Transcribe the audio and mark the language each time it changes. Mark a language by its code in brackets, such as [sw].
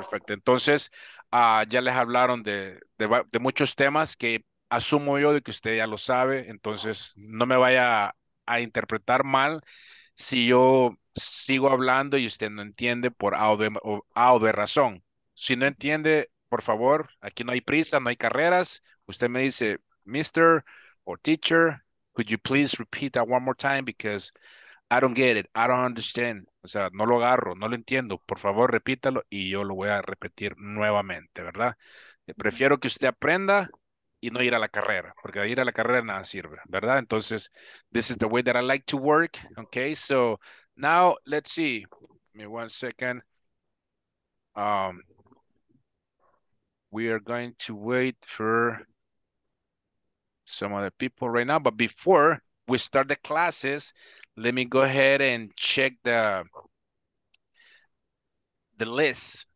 [es] Entonces, ya les hablaron de muchos temas que asumo yo de que usted ya lo sabe. Entonces, no me vaya a interpretar mal si yo sigo hablando y usted no entiende por A o B razón. Si no entiende, por favor, aquí no hay prisa, no hay carreras. Usted me dice, Mr. [en] or teacher, could you please repeat that one more time because I don't get it, I don't understand. [es] O sea, no lo agarro, no lo entiendo. Por favor, repítalo y yo lo voy a repetir nuevamente, ¿verdad? Prefiero que usted aprenda y no ir a la carrera, porque ir a la carrera nada sirve, ¿verdad? [en] Entonces, this is the way that I like to work, okay? So, now, let's see. Give me one second. We are going to wait for some other people right now, but before we start the classes, let me go ahead and check the list.